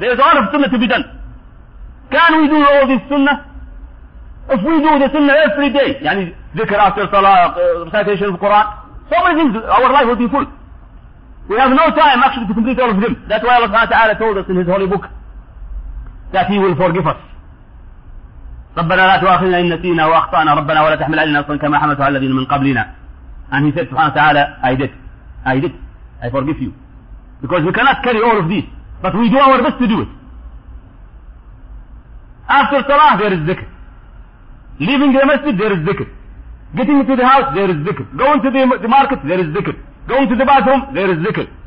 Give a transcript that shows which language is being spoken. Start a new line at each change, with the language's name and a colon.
English: There's a lot of sunnah to be done. Can we do all this sunnah? If we do the sunnah every day,
Arabic: يعني ذكر
English: after salah, recitation of Quran, so many things, our life will be full. We have no time actually to complete all of them. That's why Allah Ta'ala told us in His Holy Book that He will forgive us.
Arabic: ربنا لا تؤاخذنا إن نسينا وأخطأنا ربنا ولا تحمل علينا إصرا كما حملته على الذين من قبلنا.
English: And he said, subhanahu wa ta'ala, I did. I forgive you. Because we cannot carry all of this. But we do our best to do it. After salah, there is dhikr. Leaving the masjid, there is dhikr. Getting into the house, there is dhikr. Going to the market, there is dhikr. Going to the bathroom, there is dhikr.